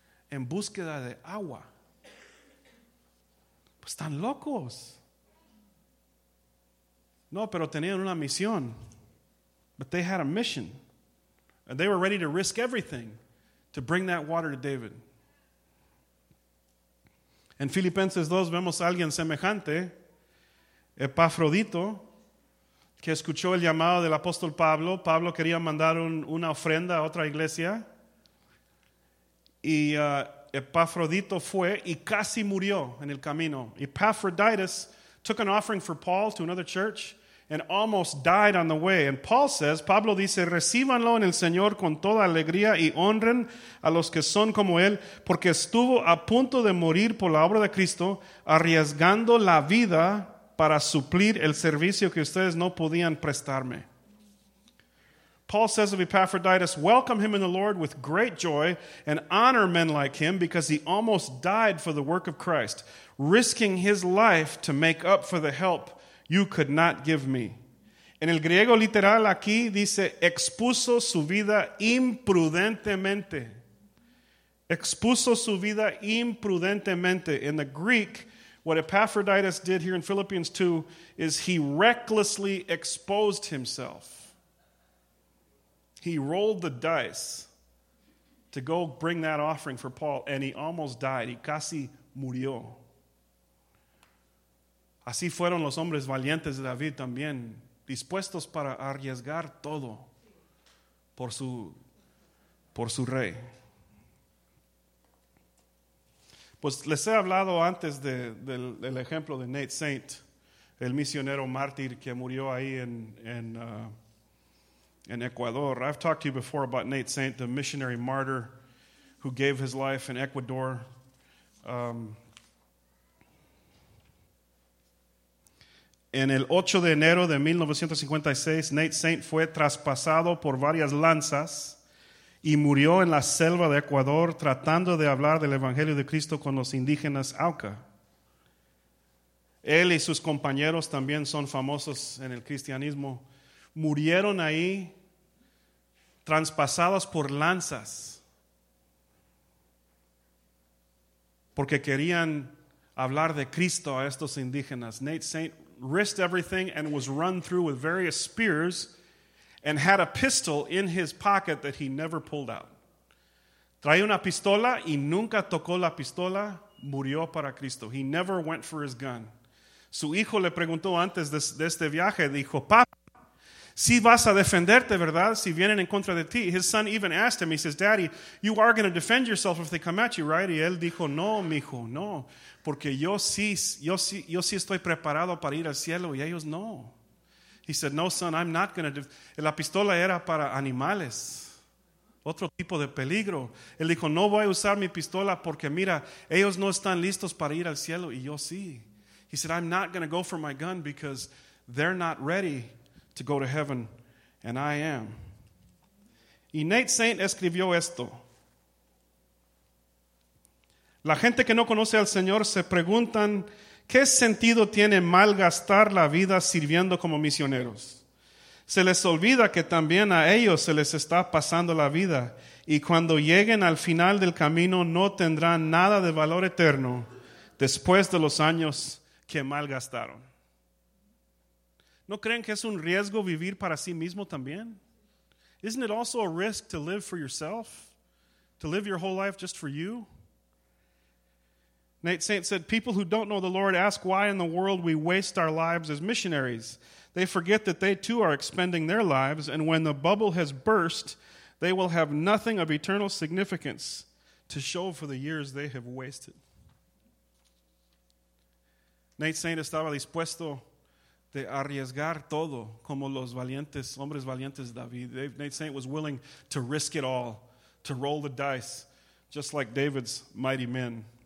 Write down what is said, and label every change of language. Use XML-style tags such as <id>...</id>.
<es>En búsqueda de agua. Pues están locos. No, pero tenían una misión.</es> <en>But they had a mission. And they were ready to risk everything to bring that water to David.</en> <es>En Filipenses 2 vemos a alguien semejante, Epafrodito, que escuchó el llamado del apóstol Pablo. Pablo quería mandar una ofrenda a otra iglesia. Y Epafrodito fue y casi murió en el camino.</es> <en>Epaphroditus took an offering for Paul to another church and almost died on the way. And Paul says,</en> <es>Pablo dice, recíbanlo en el Señor con toda alegría y honren a los que son como él, porque estuvo a punto de morir por la obra de Cristo, arriesgando la vida para suplir el servicio que ustedes no podían prestarme.</es> <en>Paul says of Epaphroditus, welcome him in the Lord with great joy and honor men like him because he almost died for the work of Christ, risking his life to make up for the help you could not give me.</en> <es>En el griego literal aquí dice, expuso su vida imprudentemente. Expuso su vida imprudentemente.</es> <en>In the Greek, what Epaphroditus did here in Philippians 2 is he recklessly exposed himself. He rolled the dice to go bring that offering for Paul, and he almost died. He</en> <es>casi murió. Así fueron los hombres valientes de David también, dispuestos para arriesgar todo por su rey. Pues les he hablado antes del ejemplo de Nate Saint, el misionero mártir que murió ahí en</es> <en>in Ecuador. I've talked to you before about Nate Saint, the missionary martyr who gave his life in Ecuador.</en> <es>En el 8 de enero de 1956, Nate Saint fue traspasado por varias lanzas y murió en la selva de Ecuador tratando de hablar del Evangelio de Cristo con los indígenas Auca. Él y sus compañeros también son famosos en el cristianismo. Murieron ahí, traspasados por lanzas, porque querían hablar de Cristo a estos indígenas.</es> <en>Nate Saint risked everything and was run through with various spears and had a pistol in his pocket that he never pulled out.</en> <es>Traía una pistola y nunca tocó la pistola, murió para Cristo.</es> <en>He never went for his gun.</en> <es>Su hijo le preguntó antes de este viaje, dijo, papá, si vas a defenderte, ¿verdad? Si vienen en contra de ti.</es> <en>His son even asked him, he says, Daddy, you are going to defend yourself if they come at you, right?</en> <es>Y él dijo, no, mijo, no, porque yo sí estoy preparado para ir al cielo y ellos no.</es> <en>He said, no, son, I'm not going to defend.</en> <es>La pistola era para animales. Otro tipo de peligro. Él dijo, no voy a usar mi pistola porque mira, ellos no están listos para ir al cielo y yo sí.</es> <en>He said, I'm not going to go for my gun because they're not ready to go to heaven, and I am.</en> <es>Y Nate Saint escribió esto. La gente que no conoce al Señor se preguntan, ¿qué sentido tiene malgastar la vida sirviendo como misioneros? Se les olvida que también a ellos se les está pasando la vida, y cuando lleguen al final del camino no tendrán nada de valor eterno después de los años que malgastaron. ¿No creen que es un riesgo vivir para sí mismo también?</es> <en>Isn't it also a risk to live for yourself? To live your whole life just for you? Nate Saint said, people who don't know the Lord ask why in the world we waste our lives as missionaries. They forget that they too are expending their lives, and when the bubble has burst, they will have nothing of eternal significance to show for the years they have wasted.</en> <es>Nate Saint estaba dispuesto de arriesgar todo, como los valientes, hombres valientes David.</es> <en>Nate Saint was willing to risk it all, to roll the dice, just like David's mighty men.</en>